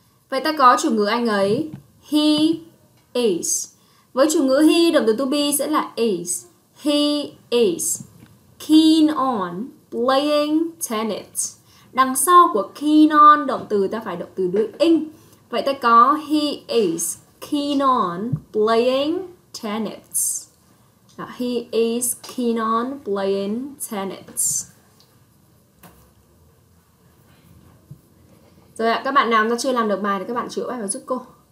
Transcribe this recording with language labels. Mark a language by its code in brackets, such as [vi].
[vi] Vậy ta có chủ ngữ anh ấy, [en] he is. [vi] Với chủ ngữ he, động từ to be sẽ là is. [en] He is keen on playing tennis. [vi] Đằng sau của keen on, động từ ta phải động từ đuôi ing. Vậy ta có [en] he is keen on playing tennis. [vi] Đó, [en] he is keen on playing tennis. [vi] Rồi ạ, các bạn nào mà chưa làm được bài thì các bạn chữa bài vào giúp cô.